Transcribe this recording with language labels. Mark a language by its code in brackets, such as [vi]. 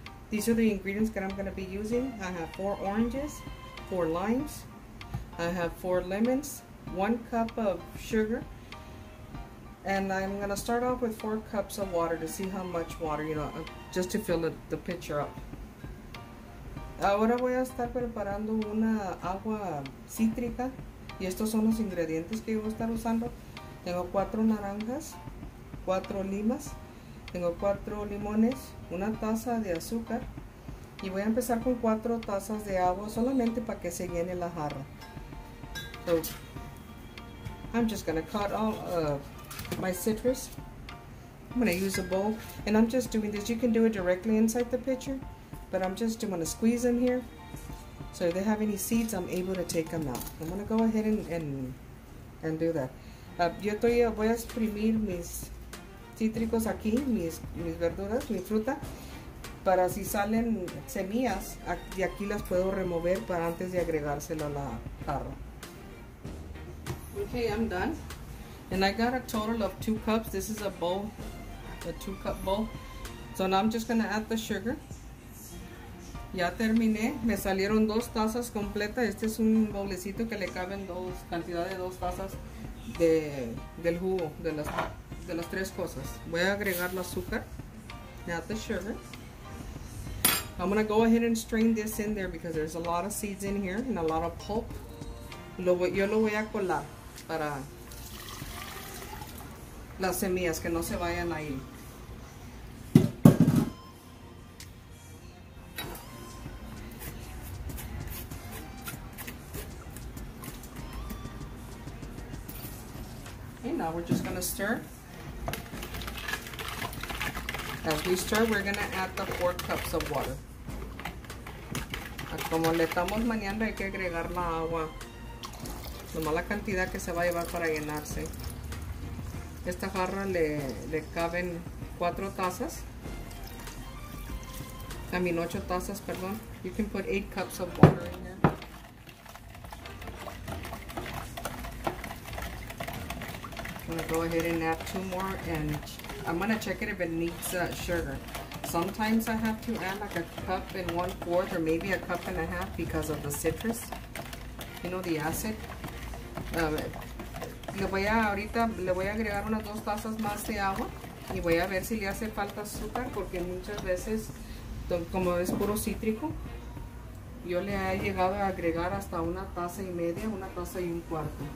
[en] These are the ingredients that I'm going to be using. I have 4 oranges, 4 limes, I have 4 lemons, 1 cup of sugar, and I'm going to start off with 4 cups of water to see how much water, you know, just to fill the pitcher up. [es] Ahora voy a estar preparando una agua cítrica y estos son los ingredientes que voy a estar usando. Tengo 4 naranjas, 4 limas, tengo 4 limones, 1 taza de azúcar y voy a empezar con 4 tazas de agua solamente para que se llene la jarra. [en] So, I'm just going to cut all of my citrus. I'm going to use a bowl and I'm just doing this. You can do it directly inside the pitcher, but I'm just going to squeeze them here. So if they have any seeds, I'm able to take them out. I'm going to go ahead and do that. [es] Voy a exprimir mis cítricos aquí, mis verduras, mi fruta, para si salen semillas, de aquí las puedo remover para antes de agregárselo a la jarra. [en] Okay, I'm done. And I got a total of 2 cups. This is a bowl, a 2-cup bowl. So now I'm just going to add the sugar. [es] Ya terminé, me salieron 2 tazas completas. Este es un bolecito que le caben cantidad de 2 tazas del jugo, de las 3 cosas. Voy a agregar el azúcar. [en] Add the sugar. I'm going to go ahead and strain this in there because there's a lot of seeds in here and a lot of pulp. [es] Yo lo voy a colar para las semillas que no se vayan ahí. [en] Now we're just going to stir. As we stir, we're going to add the 4 cups of water. [es] Como le estamos maniando, hay que agregar la agua. Nomás la cantidad que se va a llevar para llenarse. Esta jarra le caben 4 tazas. [en] I mean, 8 [es] tazas, perdón. [en] You can put 8 cups of water in here. I'm going to go ahead and add 2 more, and I'm going to check it if it needs sugar. Sometimes I have to add like 1/4 cup or maybe 1.5 cups because of the citrus, you know, the acid. [es] Le voy a agregar unas 2 tazas más de agua y voy a ver si le hace falta azúcar porque muchas veces, como es puro cítrico, yo le he llegado a agregar hasta 1.5 tazas, 1.25 tazas.